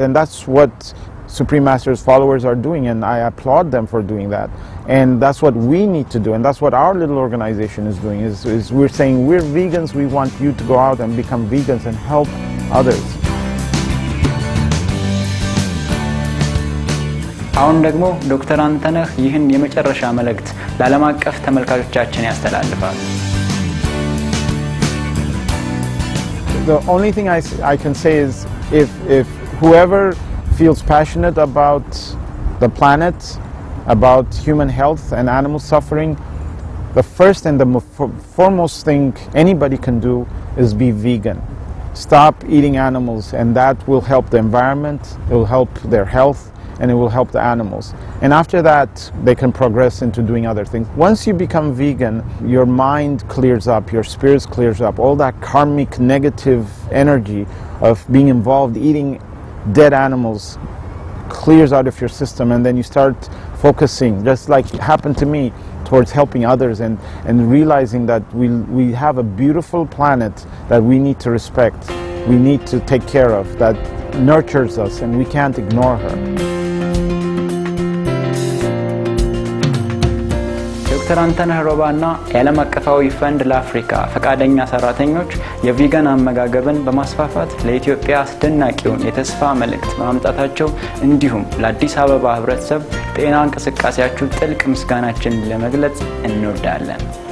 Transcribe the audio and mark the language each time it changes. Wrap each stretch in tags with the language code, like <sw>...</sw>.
<en>And that's what Supreme Master's followers are doing, and I applaud them for doing that. And that's what we need to do, and that's what our little organization is doing, is we're saying we're vegans, we want you to go out and become vegans and help others.</en> <am>አሁን ደግሞ ዶክተር አንተነህ ይህን የመጨረሻ መልእክት ለዓለም አቀፍ ተመልካቾቻችን ያስተላልፋል።</am> <en>The only thing I can say is if whoever feels passionate about the planet, about human health and animal suffering, the first and the foremost thing anybody can do is be vegan. Stop eating animals, and that will help the environment, it will help their health, and it will help the animals. And after that, they can progress into doing other things. Once you become vegan, your mind clears up, your spirit clears up, all that karmic negative energy of being involved eating dead animals clears out of your system, and then you start focusing, just like it happened to me, towards helping others and realizing that we have a beautiful planet that we need to respect, we need to take care of, that nurtures us, and we can't ignore her.</en> <am>አንተነህ ሮባና የዓለም አቀፋዊ ፈንድ ለአፍሪካ ፈቃደኛ ሰራተኞች የቪጋን አመጋገብን በማስፋፋት ለኢትዮጵያ አስደናቂውን የተስፋ መልእክት ማምጣታቸው እንዲሁም ለአዲስ አበባ ህብረተሰብ ጤና እንቅስቃሴያችሁ ጥልቅ ምስጋናችን ለመግለጽ እንወዳለን።</am>